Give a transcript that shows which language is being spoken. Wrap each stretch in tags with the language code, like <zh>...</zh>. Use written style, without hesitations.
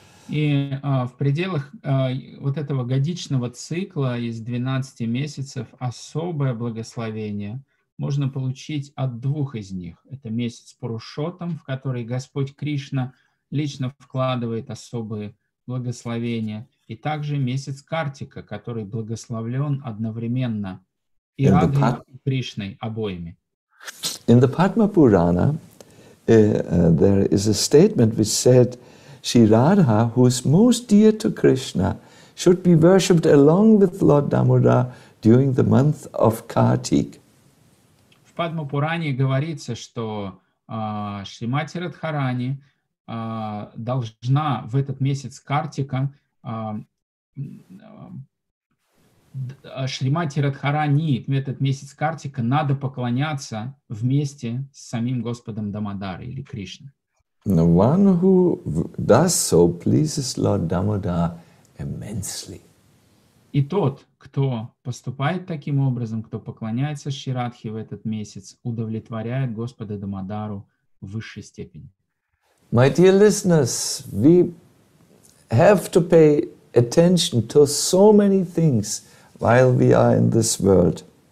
<ru>И в пределах вот этого годичного цикла из 12 месяцев особое благословение можно получить от двух из них. Это месяц Пурушоттам, в который Господь Кришна лично вкладывает особые благословения, и также месяц Картика, который благословлен одновременно и Радхой, и Кришной обоими.</ru> <en>In the Padma Purana, there is a statement which said, Shri Radha, who is most dear to Krishna, should be worshipped along with Lord Damodar during the month of Kartik.</en> <ru>В Падма Пуране говорится, что Шримати Радхарани должна в этот месяц Картика Шримати Радхарани в этот месяц Картика надо поклоняться вместе с самим Господом Дамодар или Кришной.</ru> <en>The one who does so pleases Lord Damodar immensely.</en> <ru>И тот, кто поступает таким образом, кто поклоняется Шри Радхе в этот месяц, удовлетворяет Господа Дамодару в высшей степени.</ru> <en>My dear listeners, we have to pay attention to so many things while we are in this world.</en>